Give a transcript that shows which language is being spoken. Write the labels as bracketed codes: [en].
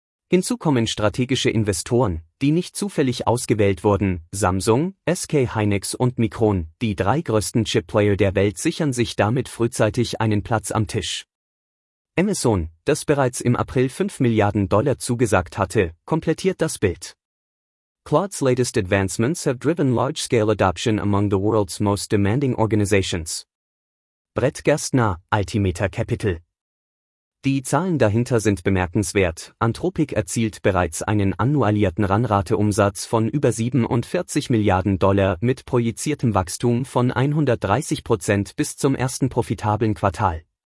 [de] Hinzu kommen strategische Investoren, die nicht zufällig ausgewählt wurden, Samsung, SK Hynix und Micron, die drei größten Chip-Player der Welt sichern sich damit frühzeitig einen Platz am Tisch. Amazon, das bereits im April $5 Milliarden zugesagt hatte, komplettiert das Bild. [en] Claude's latest advancements have driven large-scale adoption among the world's most demanding organizations. Brett Gerstner, Altimeter Capital. [de] Die Zahlen dahinter sind bemerkenswert. Anthropic erzielt bereits einen annualisierten Runrate-Umsatz von über $47 Milliarden mit projiziertem Wachstum von 130% bis zum ersten profitablen Quartal.